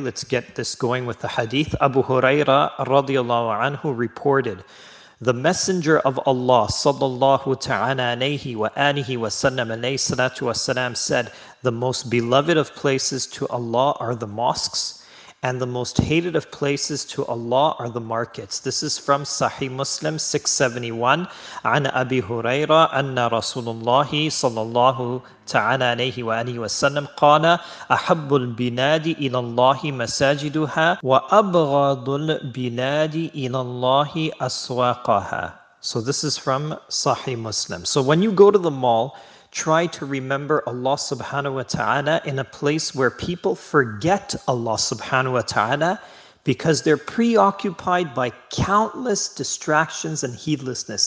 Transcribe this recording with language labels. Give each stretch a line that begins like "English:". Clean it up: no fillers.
English: Let's get this going with the hadith. Abu Huraira
Arabic: رضي الله عنه
English: reported, the messenger of Allah
Arabic: صلى الله تعالى عليه وآله وسلم عليه الصلاة والسلام
English: said, the most beloved of places to Allah are the mosques, and the most hated of places to Allah are the markets. This is from Sahih Muslim 671.
Arabic: عن أبي هريرة أن رسول الله صلى الله تعالى عليه وآله وسلم قال أحب البلاد إلى الله مساجدها وأبغض البلاد إلى الله أسواقها.
English: So this is from Sahih Muslim. So when you go to the mall, try to remember Allah subhanahu wa ta'ala in a place where people forget Allah subhanahu wa ta'ala because they're preoccupied by countless distractions and heedlessness.